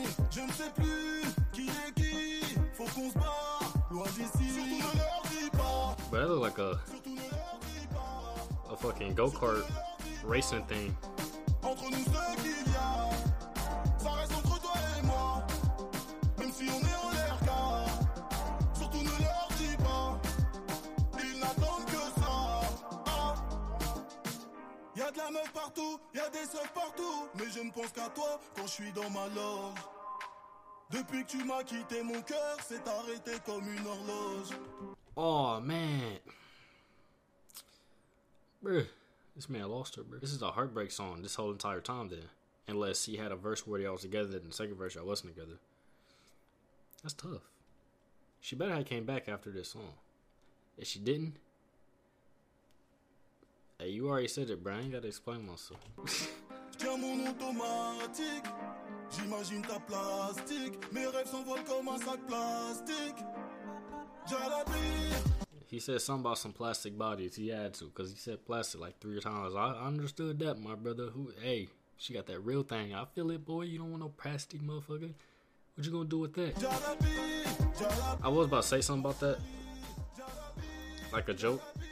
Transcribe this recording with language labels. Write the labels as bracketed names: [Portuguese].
[French] Je ne sais plus qui est qui. Faut qu'on se barre loin d'ici. Surtout ne leur dis pas. [English] But that looks like a fucking go-kart racing thing. [French] Entre nous ce qu'il y a, ça reste entre toi et moi. Même si on est en l'air car, surtout ne leur dis pas. Ils n'attendent que ça. Ah. Y'a de la meuf partout, y'a des seufs partout. Mais je ne pense qu'à toi quand je suis dans ma loge. Depuis que tu m'as quitté, mon cœur s'est arrêté comme une horloge. [English] Oh man. Bruh. This man lost her, bruh. This is a heartbreak song this whole entire time then. Unless he had a verse where y'all was together, then the second verse y'all wasn't together. That's tough. She better have came back after this song. If she didn't. Hey, you already said it, bruh. I ain't gotta explain myself. Tiens mon automatique. J'imagine ta plastique. Mes rêves s'envolent comme un sac plastique. He said something about some plastic bodies. He had to, because he said plastic like 3 times. I understood that, my brother. Who? Hey, she got that real thing. I feel it, boy. You don't want no plastic, motherfucker. What you gonna do with that? I was about to say something about that. Like a joke.